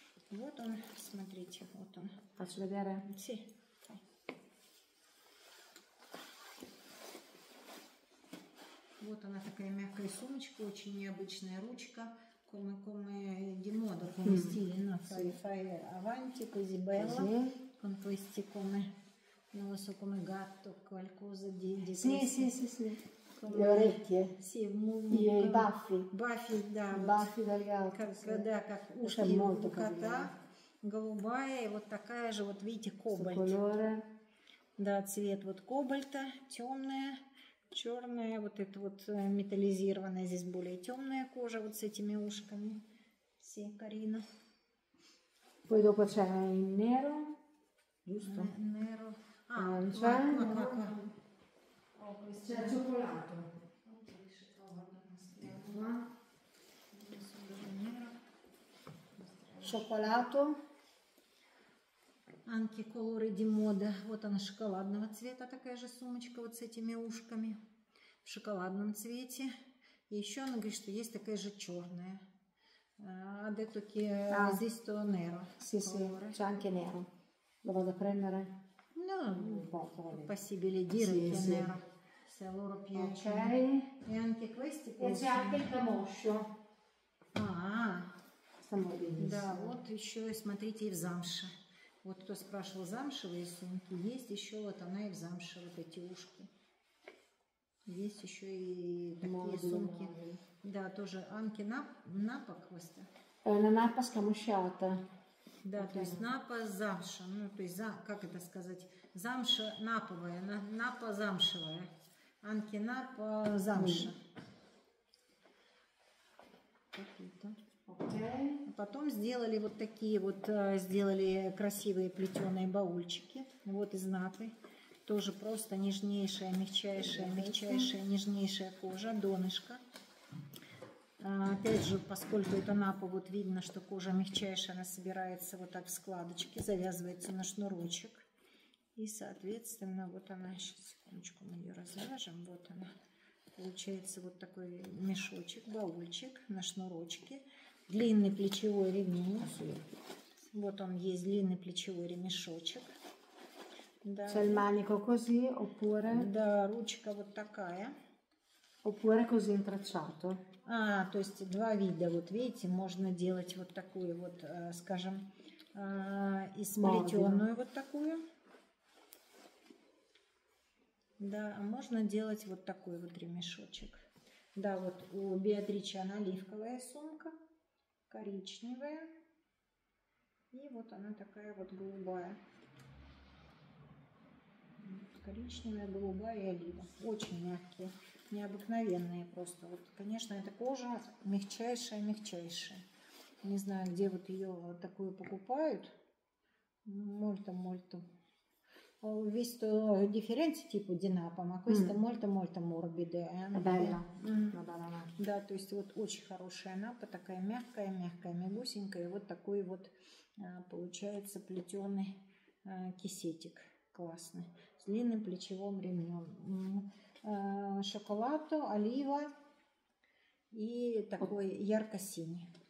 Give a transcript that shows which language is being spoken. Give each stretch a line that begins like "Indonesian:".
Russian: Вот он, смотрите, вот он.
Italian: Faccio vedere. Sì.
Russian: Вот она такая мягкая сумочка, очень необычная ручка,
Italian: come di moda, come stile, no? Fai avanti così bella, con questi come non lo so come gatto, qualcosa di sì, sì, sì, sì. Le orecchie, sì, i baffi, baffi da, baffi dal gatto, da, usa molto
Russian: cata, голубая e вот такая же вот видите кобальт,
Italian: colore,
Russian: да, цвет вот кобальта, темная, черная, вот это вот металлизированная здесь более темная кожа вот с этими ушками,
Italian: sì, carina. Poi dopo c'è il nero, giusto? Nero, ah, bianco. C'è cioccolato. Cioccolato. Anche colore di moda. Вот она шоколадного цвета, такая же сумочка вот с этими ушками. В шоколадном цвете. И еще она говорит, что есть такая же черная. Ha detto che esiste nero. Sì, sì. C'è anche nero. Lo vado a prendere? No. Possibile dire che è nero. Se loro piacciono.
English: Okay.
Italian: E anche questi piacciono. E c'è anche il camoscio. Ah. Stiamo benissimo.
Russian: Da, вот еще, смотрите, и в замше. Вот кто спрашивал, замшевые сумки. Есть еще, вот она и в замше, вот эти ушки. Есть еще и такие сумки. Молодые. Да, тоже Анки Напа Квеста. Она Напа с камушата. Да, okay. То есть Напа замша. Ну, то есть, как это сказать? Замша наповая, Напа замшевая.
Italian: Anche Napa замша.
Russian: Какие-то.
English: Okay.
Russian: Потом сделали вот такие вот, сделали красивые плетеные баульчики. Вот из Напы. Тоже просто нежнейшая, мягчайшая, мягчайшая, нежнейшая кожа, донышко. Опять же, поскольку это Напа, вот видно, что кожа мягчайшая, она собирается вот так в складочки, завязывается на шнурочек. И, соответственно, вот она, сейчас секундочку мы ее развяжем, вот она, получается вот такой мешочек, баульчик на шнурочке, длинный плечевой ремень, вот он есть, длинный плечевой ремешочек. C'è il manico così, oppure? Да, ручка вот такая. Oppure così intrecciato. А, то есть два вида, вот видите, можно делать вот такую вот, скажем, и сплетенную вот такую. Да, а можно делать вот такой вот ремешочек. Да, вот у Беатричи она оливковая сумка, коричневая. И вот она такая вот голубая. Коричневая, голубая и олива. Очень мягкие, необыкновенные просто. Вот, конечно, эта кожа мягчайшая, мягчайшая. Не знаю, где вот ее вот такую покупают.
Italian: Мольта-мольта. Visto differenti tipo di Napoma, questa molto molto morbida. Bella.
Russian: Да, то есть вот очень хорошая Напа, такая мягкая, мягкая, мягусенькая. И вот такой вот получается плетеный кисетик. Классный. С длинным плечевым ремнем. Шоколад, олива и такой ярко-синий.